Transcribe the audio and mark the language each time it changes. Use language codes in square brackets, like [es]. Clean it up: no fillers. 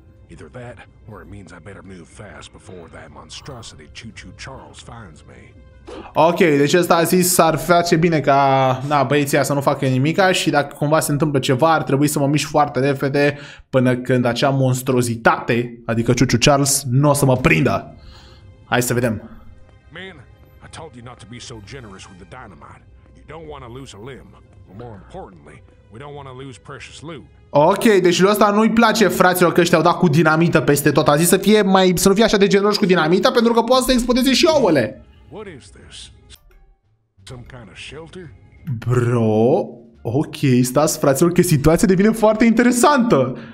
[en] Either that, or it means I better move fast before that monstrosity Ciuciu Charles finds me. [ro] Ok, deci ăsta a zis s-ar face bine ca băieții să nu facă nimica și dacă cumva se întâmplă ceva ar trebui să mă mișc foarte repede până când acea monstruozitate, adică Ciuciu Charles, nu o să mă prindă. Hai să vedem. [en] Man, I told you not to be so generous with the dynamite. You don't want to lose a limb. But more importantly, we don't want to lose precious loot. [ro] Ok, deci lui ăsta nu-i place, fraților, că ăștia au dat cu dinamită peste tot. A zis să nu fie așa de generos cu dinamita pentru că poate să explodeze și ouăle. [en] What is this? Some kind of shelter? [ro] Bro, ok, stați, fraților, că situația devine foarte interesantă.